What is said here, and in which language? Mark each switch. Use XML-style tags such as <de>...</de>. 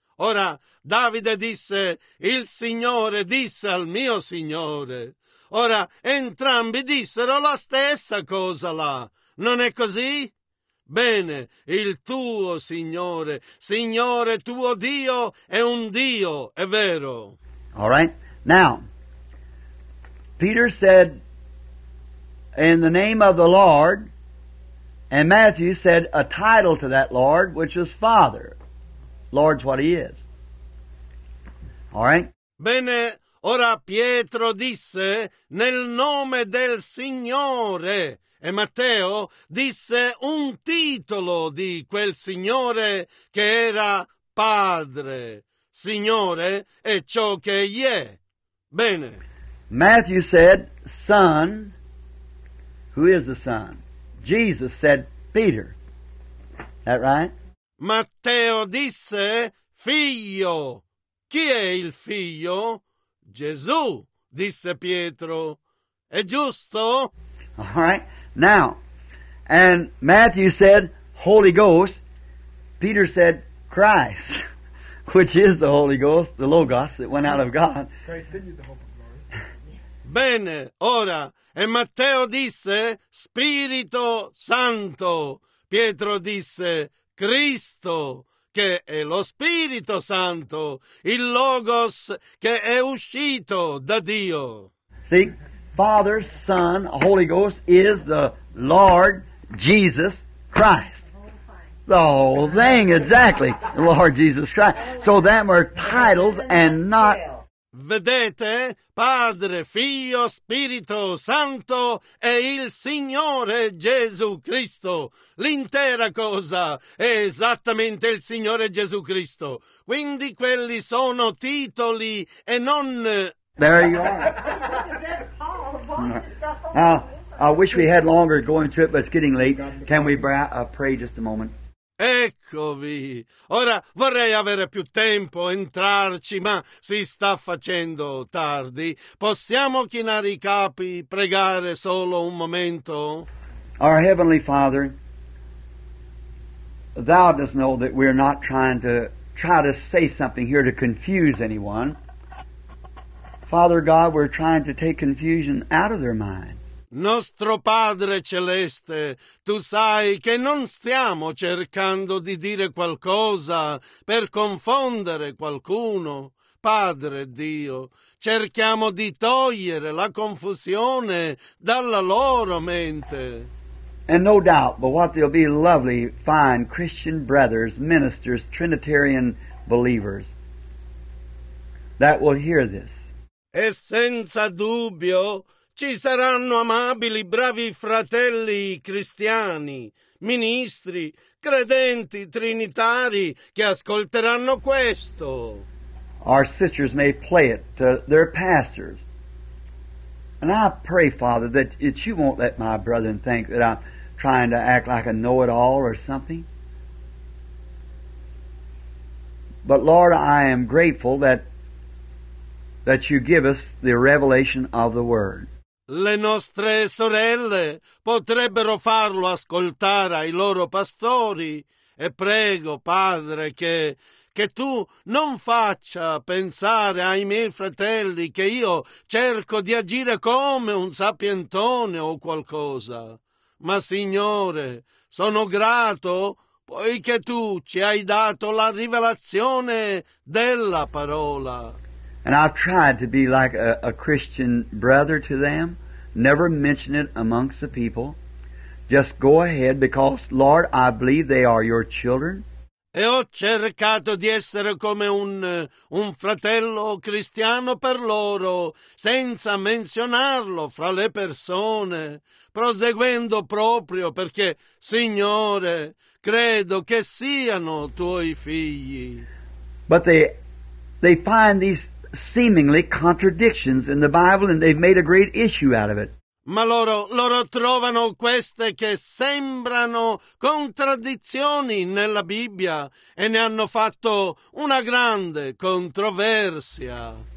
<it>Ora Davide disse Il Signore disse al mio Signore. Ora entrambi dissero la stessa cosa là, non è così? Bene, il tuo Signore, Signore tuo Dio è un Dio, è vero.</it> <en>All right, now. Peter said, in the name of the Lord, and Matthew said a title to that Lord, which was Father. Lord's what he is. All right?</en> <it>Bene, ora Pietro disse, nel nome del Signore, e Matteo disse un titolo di quel Signore che era Padre. Signore è ciò che egli è. Bene.</it> <en>Matthew said, Son, who is the Son? Jesus said, Peter. Is that right?</en> <it>Matteo disse, Figlio. Chi è il figlio? Gesù, disse Pietro. È giusto?</it> <en>All right. Now, and Matthew said, Holy Ghost. Peter said, Christ, which is the Holy Ghost, the Logos that went out of God. Christ didn't use the Holy Ghost.</en> <it>Bene, ora, e Matteo disse, Spirito Santo. Pietro disse, Cristo, che è lo Spirito Santo, il Logos che è uscito da Dio.</it> <en>See, Father, Son, Holy Ghost is the Lord Jesus Christ. The whole thing, exactly, the Lord Jesus Christ. So them are titles and not...</en> <it>Vedete, Padre, Figlio, Spirito Santo e il Signore Gesù Cristo. L'intera cosa è esattamente il Signore Gesù Cristo. Quindi quelli sono titoli e non...</it> <en>There you are. Now, I wish we had longer going to it, but it's getting late. Can we pray just a moment?</en> <it>Eccovi. Ora vorrei avere più tempo entrarci, ma si sta facendo tardi. Possiamo chinare i capi, pregare solo un momento?</it> <en>Our Heavenly Father, Thou dost know that we're not trying to try to say something here to confuse anyone. Father God, we're trying to take confusion out of their mind.</en> <it>Nostro Padre Celeste, tu sai che non stiamo cercando di dire qualcosa per confondere qualcuno. Padre Dio, cerchiamo di togliere la confusione dalla loro mente.</it> <en>And no doubt, but what they'll be lovely, fine Christian brothers, ministers, Trinitarian believers that will hear this.</en> <it>E senza dubbio... Ci saranno amabili, bravi fratelli cristiani, ministri, credenti, trinitari che ascolteranno questo.</it> <en>Our sisters may play it to their pastors. And I pray, Father, that you won't let my brethren think that I'm trying to act like a know-it-all or something. But Lord, I am grateful that you give us the revelation of the Word.</en> <it>Le nostre sorelle potrebbero farlo ascoltare ai loro pastori e prego, Padre, che tu non faccia pensare ai miei fratelli che io cerco di agire come un sapientone o qualcosa. Ma, Signore, sono grato poiché tu ci hai dato la rivelazione della parola.</it> <en>And I've tried to be like a Christian brother to them. Never mention it amongst the people. Just go ahead, because, Lord, I believe they are your children.</en> <it>E ho cercato di essere come un fratello cristiano per loro, senza menzionarlo fra le persone, proseguendo proprio perché, Signore, credo che siano tuoi figli.</it> <en>But they find these seemingly contradictions in the Bible and they've made a great issue out of it.</en> <it>Ma loro trovano queste che sembrano contraddizioni nella Bibbia e ne hanno fatto una grande controversia.</it>